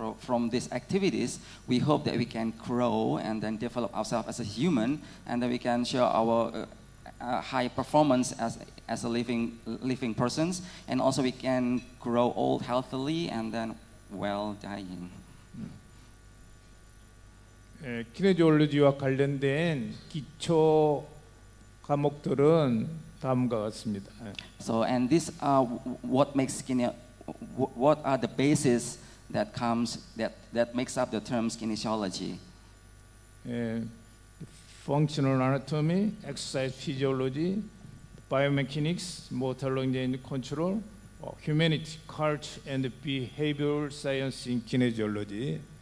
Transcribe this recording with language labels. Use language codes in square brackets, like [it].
[en] From these activities, we hope that we can grow and then develop ourselves as a human, and that we can show our high performance as a living persons, and also we can grow old healthily and then well dying. [ko] 키네지올로지와 관련된 기초 과목들은 다음과 같습니다. [en] So, and this what makes what are the basis that comes that makes up the terms kinesiology. Functional anatomy, exercise physiology, biomechanics, motor range and control, humanity, culture and behavioral science in kinesiology.